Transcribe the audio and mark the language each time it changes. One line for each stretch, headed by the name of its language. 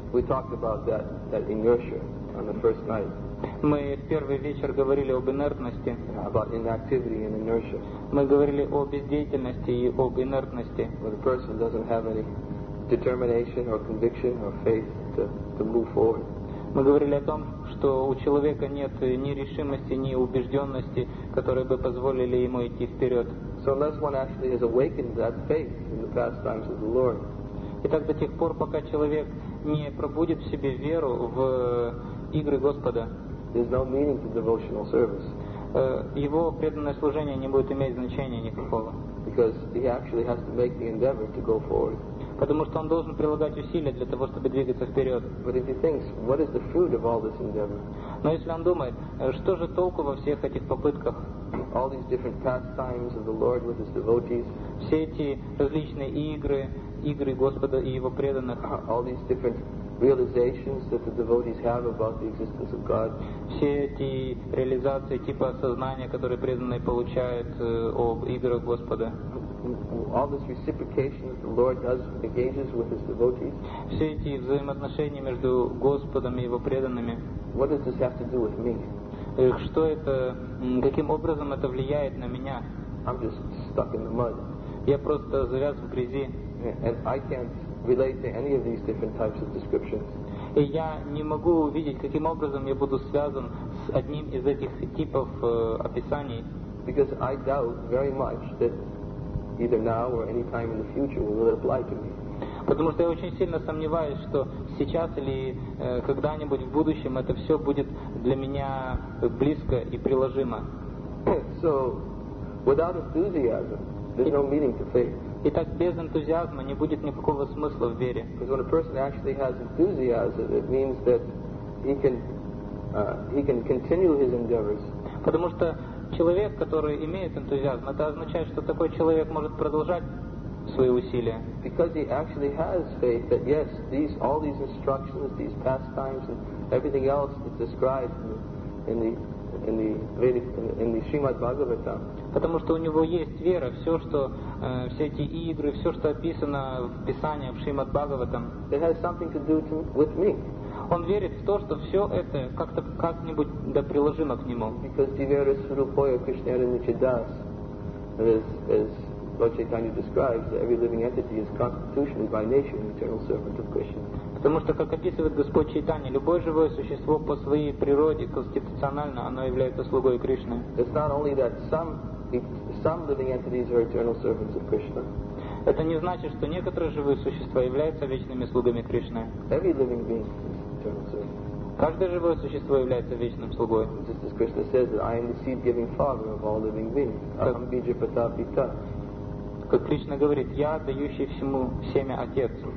English: We talked about that inertia on the first night.
Russian: Мы в первый вечер говорили об инертности.
English: About inactivity and inertia.
Russian: Мы говорили о бездеятельности и об инертности.
English: When a person doesn't have any determination or conviction or faith to move forward.
Russian: Мы говорили о том, что у человека нет ни решимости, ни убежденности, которые бы позволили ему идти вперед.
English: So unless one actually has awakened that faith in the pastimes of the Lord.
Russian: Итак, до тех пор, пока человек не пробудит в себе веру в игры Господа,
English: there's no meaning to devotional service.
Russian: Его преданное служение не будет иметь значения никакого.
English: Because he actually has to make the endeavor to go forward.
Russian: Потому что он должен прилагать усилия для того, чтобы двигаться вперед.
English: But if he thinks, what is the fruit of all this endeavor?
Russian: Но если он думает, что же толку во всех этих попытках?
English: All these different pastimes of the Lord with his devotees.
Russian: Все эти различные игры Господа и его преданных.
English: All these different realizations that the devotees have about the existence of God.
Russian: Все эти реализации типа осознания, которые преданные получают об играх Господа.
English: All this reciprocation that the Lord does engages with his devotees.
Russian: Все эти взаимоотношения между Господом и его преданными.
English: What does this have to do with me?
Russian: Что это, каким образом это влияет на меня?
English: I'm just stuck in the mud.
Russian: Я просто завяз в грязи.
English: And I can't relate to any of these different types of descriptions.
Russian: И я не могу увидеть, каким образом я буду связан с одним из этих типов описаний.
English: Because I doubt very much that either now or any time in the future will it apply to me.
Russian: Потому что я очень сильно сомневаюсь, что сейчас или когда-нибудь в будущем это все будет для меня близко и приложимо.
English: So, without enthusiasm, there's no meaning to faith.
Russian: Итак, без энтузиазма не будет никакого смысла в вере.
English: Because when a person actually has enthusiasm, it means that he can continue his endeavors.
Russian: Потому что человек, который имеет энтузиазм, это означает, что такой человек может продолжать свои усилия.
English: Because he actually has faith that yes, all these instructions, these pastimes, and everything else that's described in the Srimad Bhagavatam.
Russian: Потому что у него есть вера, все, что все эти игры, все, что описано в Писании, в Шримад Бхагаватам.
English: It has something to do with me.
Russian: Он верит в то, что все это как-то как-нибудь да приложимо к нему.
English: Because the vera surupoya Krishna Nityadas, as Lord Chaitanya describes, that every living entity is constitutionally by nature an eternal servant of Krishna.
Russian: Потому что, как описывает Господь Чайтанья, любое живое существо по своей природе, конституционально, оно является слугой Кришны.
English: It's not only that some living entities are eternal servants of Krishna.
Russian: Это не значит, что некоторые живые существа являются вечными слугами Кришны.
English: Every living being is eternal servant.
Russian: Каждое живое существо является вечным слугой.
English: Just as Krishna says that I am the seed-giving father of all living beings.
Sanskrit: Aham bija pita pita.
Russian: Как Кришна говорит, я дающий всему семя отец.